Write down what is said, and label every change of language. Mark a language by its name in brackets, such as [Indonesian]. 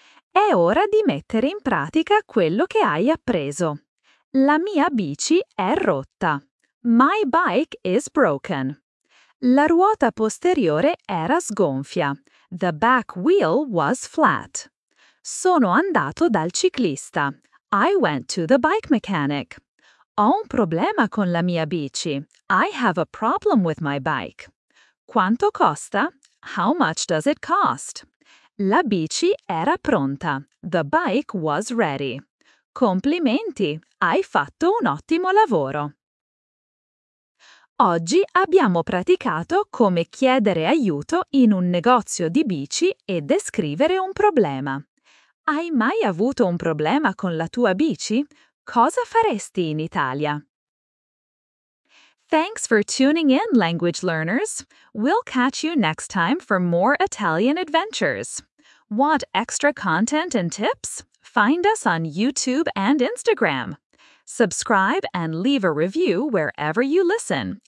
[Italian] È ora di mettere in pratica quello che hai appreso. La mia bici è rotta. [English] My bike is broken. [Italian] La ruota posteriore era sgonfia. [English] The back wheel was flat. [Italian] Sono andato dal ciclista. [English] I went to the bike mechanic. [Italian] Ho un problema con la mia bici. [English] I have a problem with my bike. [Italian] Quanto costa? [English] How much does it cost? [Italian] La bici era pronta. [English] The bike was ready. [Italian] Complimenti! Hai fatto un ottimo lavoro! Oggi abbiamo praticato come chiedere aiuto in un negozio di bici e descrivere un problema. Hai mai avuto un problema con la tua bici? Cosa faresti in Italia? [English] Thanks for tuning in, language learners. We'll catch you next time for more Italian adventures. Want extra content and tips? Find us on YouTube and Instagram. Subscribe and leave a review wherever you listen.